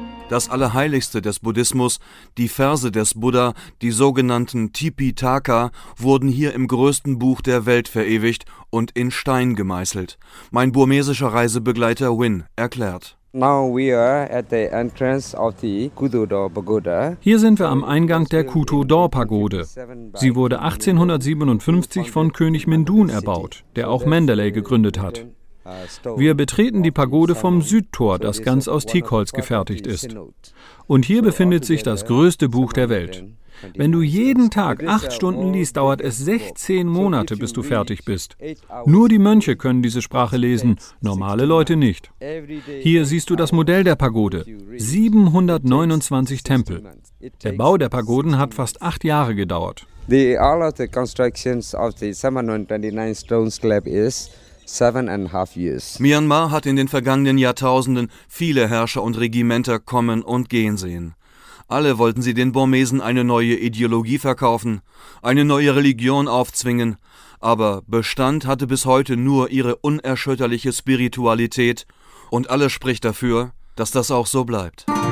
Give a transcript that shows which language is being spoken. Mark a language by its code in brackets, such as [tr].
[de] Das Allerheiligste des Buddhismus, die Verse des Buddha, die sogenannten Tipitaka, wurden hier im größten Buch der Welt verewigt und in Stein gemeißelt. Mein burmesischer Reisebegleiter Win erklärt. [en] Now we are at the entrance of the Kudodo Pagoda. [de] Hier sind wir am Eingang der Kudodo-Pagode. Sie wurde 1857 von König Mindun erbaut, der auch Mandalay gegründet hat. Wir betreten die Pagode vom Südtor, das ganz aus Teakholz gefertigt ist. Und hier befindet sich das größte Buch der Welt. Wenn du jeden Tag 8 Stunden liest, dauert es 16 Monate, bis du fertig bist. Nur die Mönche können diese Sprache lesen, normale Leute nicht. Hier siehst du das Modell der Pagode. 729 Tempel. Der Bau der Pagoden hat fast 8 Jahre gedauert. [en] All of the constructions of the 729 stone slab is 7.5 years. [de] Myanmar hat in den vergangenen Jahrtausenden viele Herrscher und Regimenter kommen und gehen sehen. Alle wollten sie den Burmesen eine neue Ideologie verkaufen, eine neue Religion aufzwingen, aber Bestand hatte bis heute nur ihre unerschütterliche Spiritualität und alles spricht dafür, dass das auch so bleibt.